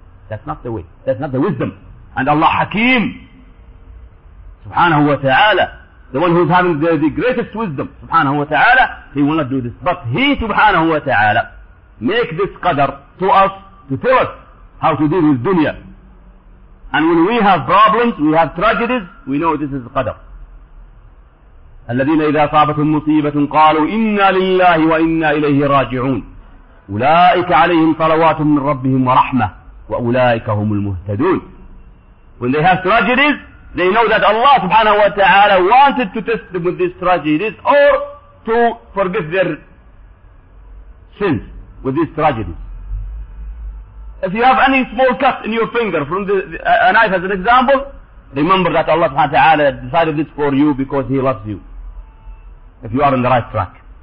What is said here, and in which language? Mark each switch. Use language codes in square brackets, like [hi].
[en] That's not the way. That's not the wisdom. And Allah Hakim, subhanahu wa ta'ala, the one who is having the greatest wisdom, subhanahu wa ta'ala, he will not do this. But he, subhanahu wa ta'ala, make this qadr to us, to tell us how to deal with dunya. And when we have problems, we have tragedies, we know this is qadr. [ar] الذين إذا صابتهم مصيبة قالوا إنا لله وإنا إليه راجعون أولئك عليهم صلوات من ربهم ورحمة وأولئك هم المهتدون. [en] When they have tragedies, they know that Allah subhanahu wa ta'ala wanted to test them with these tragedies or to forgive their sins with these tragedies. If you have any small cut in your finger from a knife as an example, remember that Allah subhanahu wa ta'ala decided this for you because He loves you. If you are on the right track.